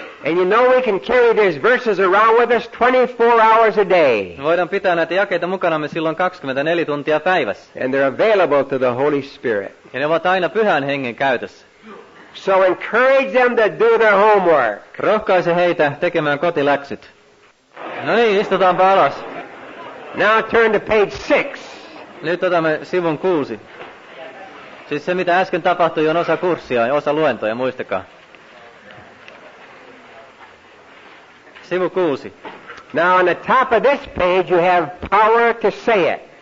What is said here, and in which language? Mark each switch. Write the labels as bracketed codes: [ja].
[en] And you know we can carry these verses around with us 24 hours a day. [fi] Voidaan pitää näitä jakeita mukanamme silloin 24 tuntia päivässä. [en] And they're available to the Holy Spirit. [fi] Ja ne ovat aina Pyhän Hengen käytössä. [en] So encourage them to do their homework. [fi] Rohkaise heitä tekemään kotiläksyt. No niin, istutaanpa alas. [en] Now turn to page 6. [fi] Nyt otamme sivun 6. Siis se, mitä äsken tapahtui, on osa kurssia ja osa luentoja, muistakaa. Sivu 6. [en] Now on the top of this page you have power to say it.